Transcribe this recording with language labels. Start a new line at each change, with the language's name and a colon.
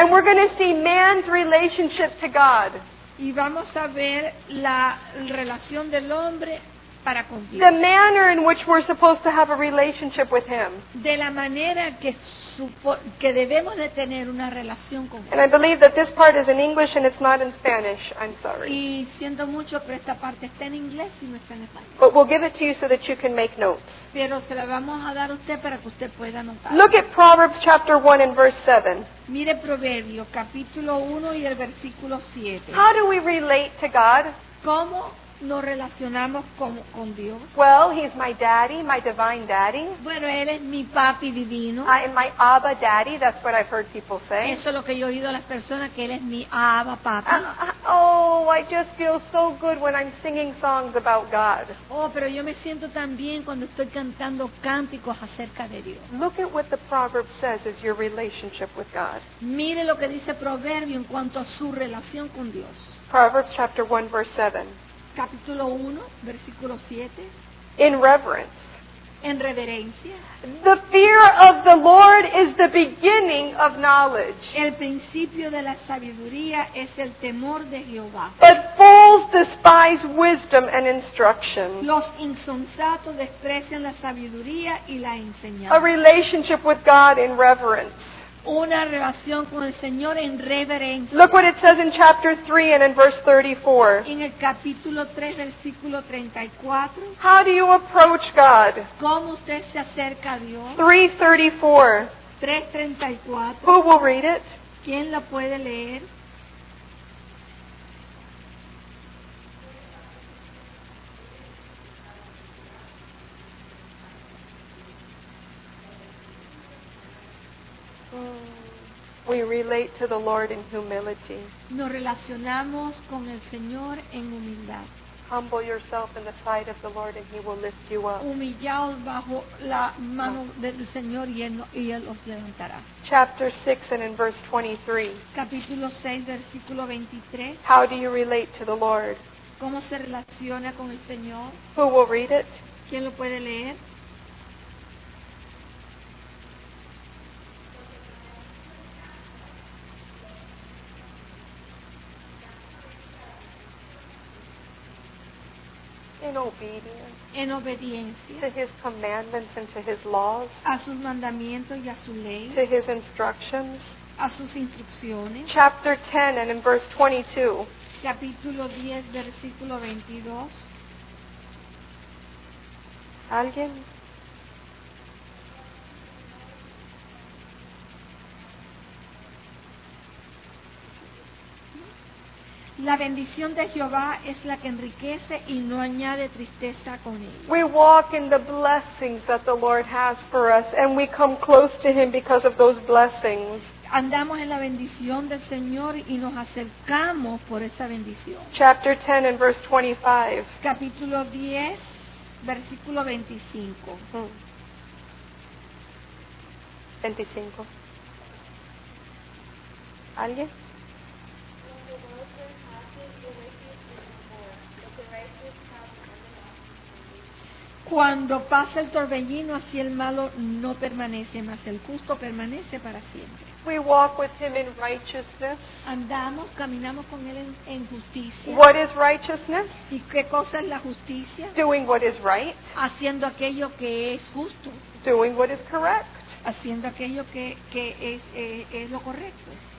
English: And we're going to see man's relationship to God.
Spanish: Y vamos a ver la relación del hombre para con Dios.
English: The manner in which we're supposed to have a relationship with Him.
Spanish: De la manera que debemos de tener una relación con Dios.
English: And I believe that this part is in English and it's not in Spanish. I'm sorry.
Spanish: Y siento mucho, pero esta parte está en inglés y no está en español.
English: But we'll give it to you so that you can make notes.
Spanish: Pero se la vamos a dar a usted para que usted pueda anotar.
English: Look at Proverbs chapter 1 and verse 7.
Spanish: Mire Proverbios capítulo 1 y el versículo 7.
English: How do we relate to God?
Spanish: ¿Cómo nos relacionamos con Dios?
English: Well, he's my daddy, my divine daddy.
Spanish: Bueno, él es mi papi divino.
English: I am my Abba daddy, that's what I've heard people say.
Spanish: Eso es lo que yo he oído a las personas, que él es mi Abba papi.
English: I just feel so good when I'm singing songs about God.
Spanish: Oh, pero yo me siento tan bien cuando estoy cantando cánticos acerca de Dios.
English: Look at what the proverb says is your relationship with God.
Spanish: Mire lo que dice Proverbio en cuanto a su relación con Dios.
English: Proverbs chapter 1 verse 7.
Spanish: Capítulo 1, versículo 7.
English: In reverence.
Spanish: En reverencia.
English: The fear of the Lord is the beginning of knowledge.
Spanish: El principio de la sabiduría es el temor de Jehová.
English: But fools despise wisdom and instruction.
Spanish: Los insensatos desprecian la sabiduría y la enseñanza.
English: A relationship with God in reverence.
Spanish: Una relación con el Señor en reverencia.
English: Look what it says in chapter 3 and in verse 34.
Spanish: En el capítulo 3, versículo 34.
English: How do you approach God?
Spanish: ¿Cómo usted se acerca a Dios? 3:34. 3:34.
English: Who will read it?
Spanish: ¿Quién la puede leer?
English: We relate to the Lord in humility.
Spanish: Nos relacionamos con el Señor en humildad.
English: Humble yourself in the sight of the Lord and He will lift you up.
Spanish: Humillaos bajo la mano del Señor y Él os levantará.
English: Chapter 6 and in verse 23.
Spanish: Capítulo 6, versículo 23.
English: How do you relate to the Lord?
Spanish: ¿Cómo se relaciona con el Señor?
English: Who will read it?
Spanish: ¿Quién lo puede leer?
English: In obedience to His commandments and to His laws,
Spanish: a sus mandamientos y a su ley,
English: to His instructions,
Spanish: a sus instrucciones.
English: Chapter 10 and in verse 22.
Spanish: Capítulo 10, versículo 22. ¿Alguien? La bendición de Jehová es la que enriquece y no añade tristeza con ella.
English: We walk in the blessings that the Lord has for us, and we come close to Him because of those blessings.
Spanish: Andamos en la bendición del Señor y nos acercamos por esa bendición.
English: Chapter 10 and verse 25.
Spanish: Capítulo 10, versículo 25. 25. ¿Alguien? Cuando pasa el torbellino, así el malo no permanece, mas el justo permanece para siempre.
English: We walk with Him in righteousness.
Spanish: Andamos, caminamos con Él en justicia.
English: What is righteousness?
Spanish: ¿Y qué cosa es la justicia?
English: Doing what is right.
Spanish: Haciendo aquello que es justo.
English: Doing what is correct.
Spanish: Haciendo aquello que es lo correcto.